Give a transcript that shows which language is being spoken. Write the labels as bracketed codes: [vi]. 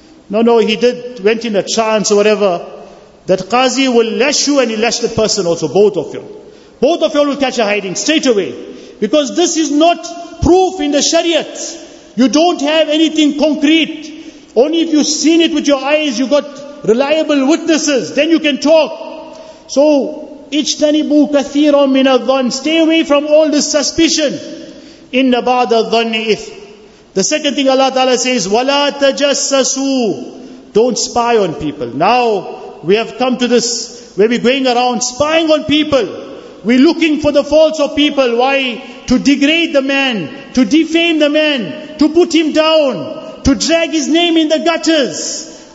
[en] No, he did, went in a trance or whatever. That qazi will lash you, and he lashed the person also, both of you. Both of you will catch a hiding straight away. Because this is not proof in the Shariat. You don't have anything concrete. Only if you've seen it with your eyes, you've got reliable witnesses, then you can talk. [ar] So, اجتنبوا كثيرا من الظن. [en] Stay away from all this suspicion. [ar] إن بعد الظن إث. [en] The second thing Allah Ta'ala says, [ar] وَلَا تَجَسَّسُوا. [en] Don't spy on people. Now, we have come to this, where we're going around spying on people. We're looking for the faults of people. Why? To degrade the man, to defame the man, to put him down, to drag his name in the gutters.